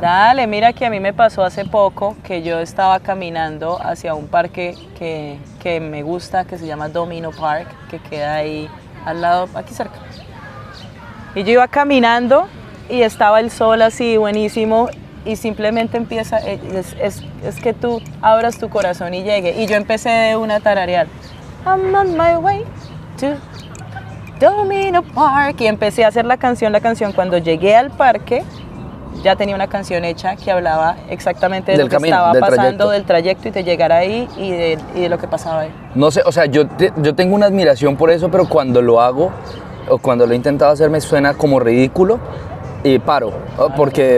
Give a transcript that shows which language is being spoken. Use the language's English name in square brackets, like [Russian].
[Spanish] Dale, mira que a mí me pasó hace poco que yo estaba caminando hacia un parque que me gusta, que se llama Domino Park, que queda ahí al lado, aquí cerca. Y yo iba caminando y estaba el sol así buenísimo y simplemente empieza, es que tú abras tu corazón y llegue. Y yo empecé de una tararear. [English] I'm on my way to Domino Park. [Spanish] Y empecé a hacer la canción. Cuando llegué al parque, ya tenía una canción hecha que hablaba exactamente de lo camino, que estaba del pasando, trayecto. Del trayecto y de llegar ahí y de lo que pasaba ahí. No sé, o sea, yo tengo una admiración por eso, pero cuando lo hago o cuando lo he intentado hacer me suena como ridículo y paro. Okay.